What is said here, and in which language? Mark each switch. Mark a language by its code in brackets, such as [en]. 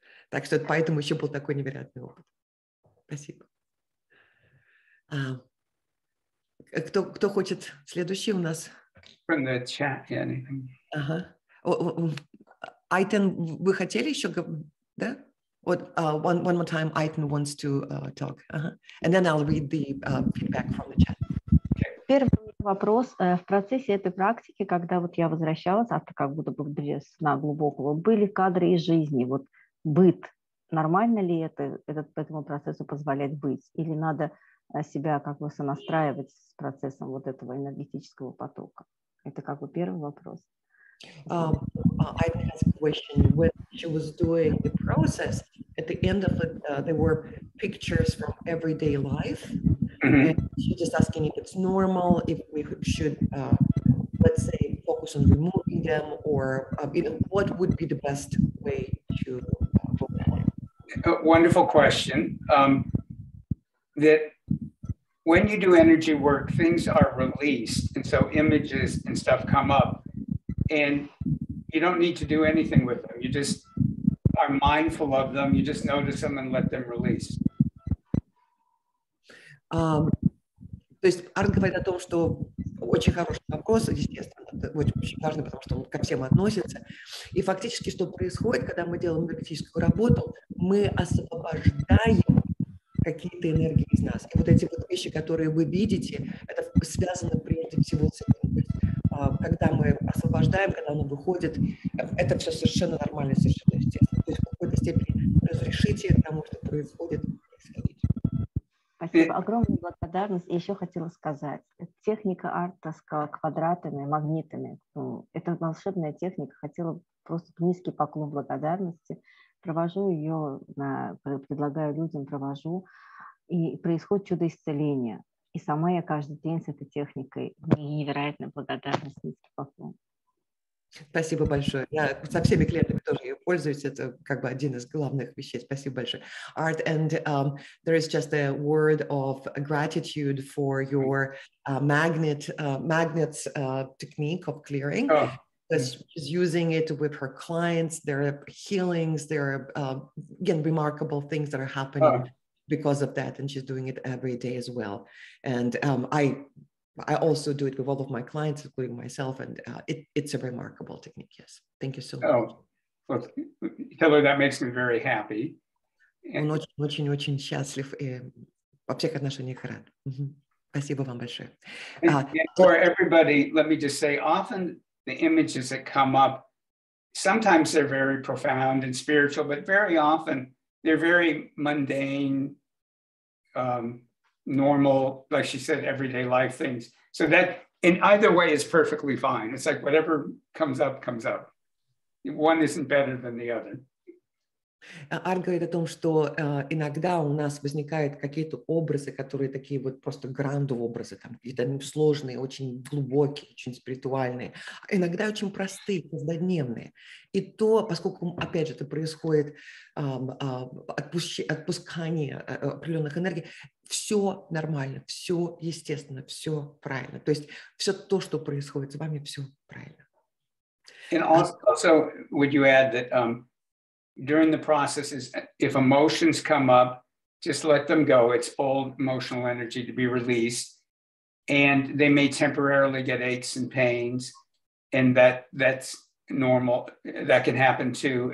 [ru] Так что поэтому еще был такой невероятный опыт. Спасибо. Кто хочет следующий у нас? [en] From the chat, yeah, anything. Uh-huh. [ru] Айтен, вы хотели еще говорить, да? [en] Вот, one more time, Айтен wants to talk. Uh-huh. And then I'll read the feedback from the chat. [ru] Okay. Первый вопрос. В процессе этой практики, когда вот я возвращалась, а то как будто бы две сна глубокого, были кадры из жизни, вот быт. Нормально ли это, этому процессу позволяет быть? Или надо себя как бы сонастраивать с процессом вот этого энергетического потока? Это как бы первый вопрос. [en] I have a question. When she was doing the process, at the end of it, there were pictures from everyday life. Mm-hmm. And she's just asking if it's normal, if we should, let's say, focus on removing them, or you know, what would be the best way to go about it? A wonderful question. That when you do energy work, things are released, and so images and stuff come up, and you don't need to do anything with them. You just are mindful of them. You just notice them and let them release. [ru] То есть Арт говорит о том, что Очень хороший вопрос, естественно, очень важный, потому что он ко всем относится. И фактически, что происходит, когда мы делаем энергетическую работу, мы освобождаем какие-то энергии из нас. И вот эти вот вещи, которые вы видите, это связано прежде всего с этим. Когда мы освобождаем, когда оно выходит, это все совершенно нормально, совершенно естественно. То есть в какой-то степени разрешите тому, что происходит. Спасибо. Огромная благодарность. И еще хотела сказать. Техника арта с квадратами, магнитами. Это волшебная техника. Хотела просто низкий поклон благодарности. Провожу ее, предлагаю людям, провожу. И происходит чудо исцеления. И сама я каждый день с этой техникой. Мне невероятно благодарна. Низкий поклон. Спасибо большое. Я со всеми клиентами тоже ее пользуюсь. Это как бы один из главных вещей. Спасибо большое. [en] Art, and there is just a word of gratitude for your magnets technique of clearing. She's using it with her clients. There are healings. There are, again, remarkable things that are happening because of that. And she's doing it every day as well. And I also do it with all of my clients, including myself, and it's a remarkable technique, yes. Thank you so much. Hillary, that makes me very happy. [ru] Он очень-очень счастлив и во всех отношениях рад. Спасибо вам большое. [en] For everybody, let me just say, often the images that come up, sometimes they're very profound and spiritual, but very often they're very mundane, normal, like she said, everyday life things. So that in either way is perfectly fine. It's like whatever comes up, comes up. One isn't better than the other. [ru] Арт говорит о том, что иногда у нас возникают какие-то образы, которые такие вот просто гранд-образы, там какие-то сложные, очень глубокие, очень спиритуальные. Иногда очень простые, каждодневные. И то, поскольку, опять же, это происходит отпускание определенных энергий, все нормально, все естественно, все правильно. То есть все то, что происходит с вами, все правильно. [en] And also, would you add that during the processes, if emotions come up, just let them go. It's old emotional energy to be released. And they may temporarily get aches and pains. And that's normal. That can happen too.